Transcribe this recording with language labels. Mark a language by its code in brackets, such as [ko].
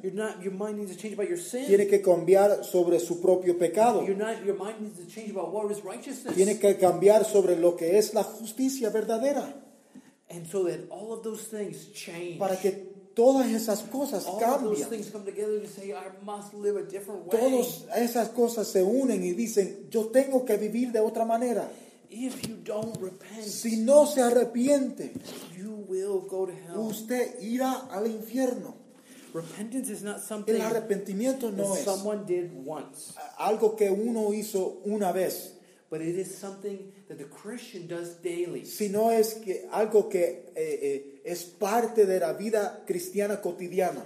[en] You're not, your mind needs to change about your sin. [es] Tiene que cambiar sobre su propio pecado. [en] You're not, your mind needs to change about what is righteousness. [es] Tiene que cambiar sobre lo que es la justicia verdadera. [en] And so that all of those things change. [es] Para que todas esas cosas [en] all [es] cambian. [en] All those things come together and say, I must live a different way. [es] Todas esas cosas se unen y dicen, yo tengo que vivir de otra manera. [en] If you don't repent, [es] si no se arrepiente, [en] you will go to hell. [es] Usted irá al infierno. [en] Repentance is not something [es] el arrepentimiento no [en] that [es] es [en] someone did once. [es] Algo que uno hizo una vez. [en] But it is something that the Christian does daily. [es] Sino es que algo que es parte de la vida cristiana cotidiana.